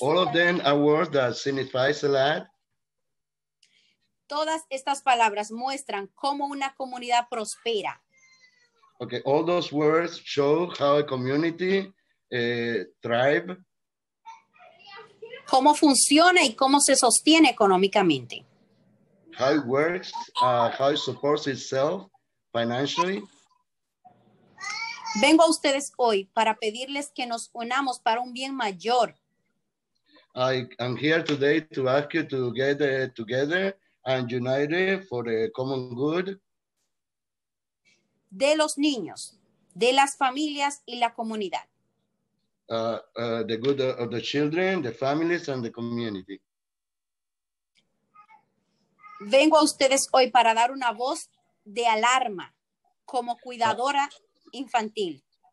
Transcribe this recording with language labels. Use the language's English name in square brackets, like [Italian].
[English] All of them are words that signify a lot. [Spanish] Todas estas palabras muestran cómo una comunidad prospera. [English] Okay, all those words show how a community thrive. [Spanish] Cómo funciona y cómo se sostiene económicamente. [English] How it works, how it supports itself financially. [Spanish] Vengo a ustedes hoy para pedirles que nos unamos para un bien mayor. [English] I am here today to ask you to get together and united for the common good. [Spanish] De los niños, de las familias y la comunidad. [English] The good of the children, the families and the community. [Spanish] Vengo a ustedes hoy para dar una voz de alarma como cuidadora infantil.